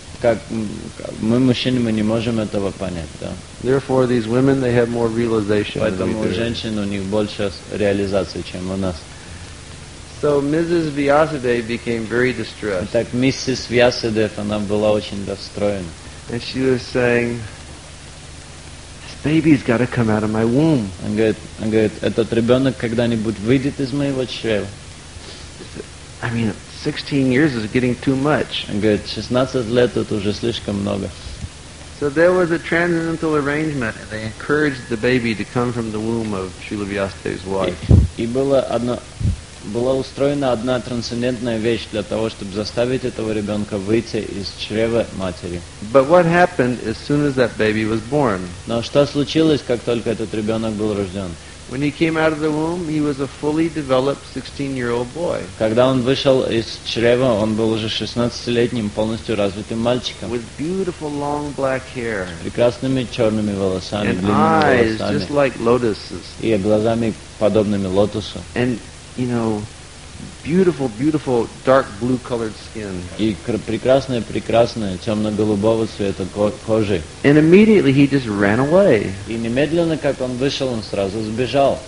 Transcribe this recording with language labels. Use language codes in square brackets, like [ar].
[ru] Как мы, мужчины, мы не можем этого понять, да? [en] Therefore, these women, they have more realization. [ru] Поэтому у женщин, у них больше реализации, чем у нас. [en] So Mrs. Vyasadeva became very distressed. [ru] Так миссис Вьясадева, она была очень расстроена. [en] And she was saying, baby's got to come out of my womb. [ru] Он говорит, этот ребенок когда-нибудь выйдет из моего чрева. [en] I mean, 16 years is getting too much. [ru] Он говорит, 16 лет это уже слишком много. [en] So there was a transcendental arrangement, and they encouraged the baby to come from the womb of Srila Vyasadeva's wife. [ru] И была устроена одна трансцендентная вещь для того, чтобы заставить этого ребенка выйти из чрева матери. [en] But what happened as soon as that baby was born? [ru] Но что случилось, как только этот ребенок был рожден? [en] When he came out of the womb, he was a fully developed 16-year-old boy. [ru] Когда он вышел из чрева, он был уже 16-летним, полностью развитым мальчиком. [en] With beautiful long black hair. [ru] С прекрасными черными волосами, [en] and [ru] длинными [en] eyes [ru] волосами. [en] Just like lotuses. [ru] И глазами, подобными лотосу. [en] And you know, beautiful, beautiful dark blue colored skin. [ru] И прекрасная темно-голубого цвета кожи. [en] And immediately he just ran away. [ru] И немедленно, как он вышел, он сразу сбежал.